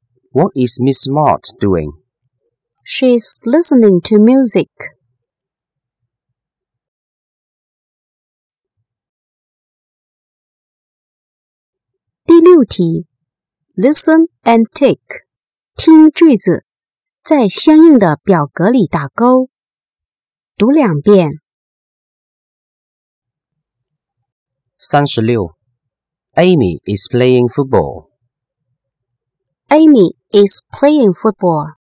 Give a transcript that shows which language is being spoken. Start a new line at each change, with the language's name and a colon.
English: What is Miss Mott doing? She's listening to music.
Chinese: 第六题 Listen and tick. 听句子，在相应的表格里打勾，读两遍。
English: 36 Amy is playing football. Amy is playing football.